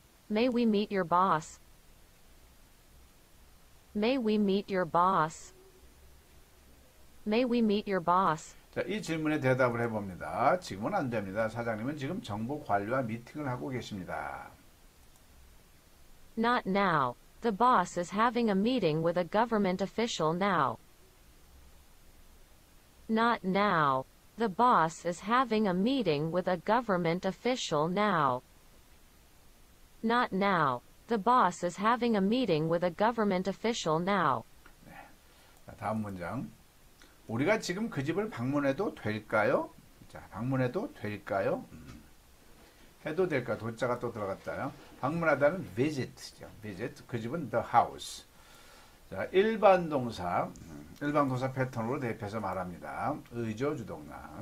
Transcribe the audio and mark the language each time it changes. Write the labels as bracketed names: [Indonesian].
[English] May we meet your boss? May we meet your boss? May we meet your boss? [Korean] 자, 이 질문에 대답을 해봅니다. 지금은 안 됩니다. 사장님은 지금 정보 관리와 미팅을 하고 계십니다. [English] Not now. The boss is having a meeting with a government official now. Not now. The boss is having a meeting with a government official now. Not now. The boss is having a meeting with a government official now. [Korean] 다음 문장. 우리가 지금 그 집을 방문해도 될까요? 자, 방문해도 될까요? 해도 될까? 도자가 또 들어갔다요. 방문하다는 visit죠. visit. 그 집은 the house. 자, 일반 동사. 일반 동사 패턴으로 대입해서 말합니다. 의조 주동사.